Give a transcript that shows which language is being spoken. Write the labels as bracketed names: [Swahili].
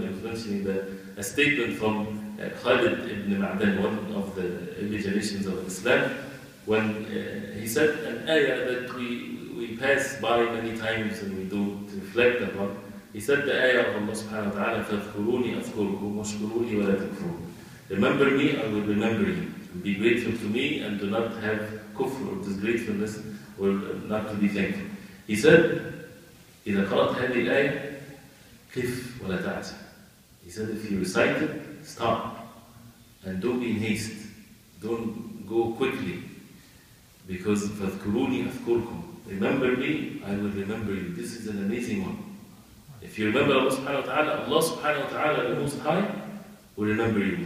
[English] He was mentioning a statement from Khalid ibn Ma'dan, one of the early generations of Islam, when he said an ayah that we pass by many times and we don't reflect upon. He said the ayah of Allah subhanahu wa ta'ala, [Arabic] فَاذْكُرُونِي أَذْكُرُكُمْ وَاشْكُرُونِي وَلَا تَكْفُرُونِ. [English] Remember me, I will remember you. And be grateful to me and do not have kufr or disgratefulness or not to be thankful. He said, [Arabic] إِذَا قَرَتْ هَذِي الْآيَةِ كِفْ وَلَا تَعْجَى. [English] He said, if you recite it, stop. And don't be in haste. Don't go quickly. Because [Arabic] فَاذْكُرُونِي أَذْكُرْكُمْ, [English] remember me, I will remember you. This is an amazing one. If you remember Allah subhanahu wa ta'ala, Allah subhanahu wa ta'ala, the Most High, will remember you.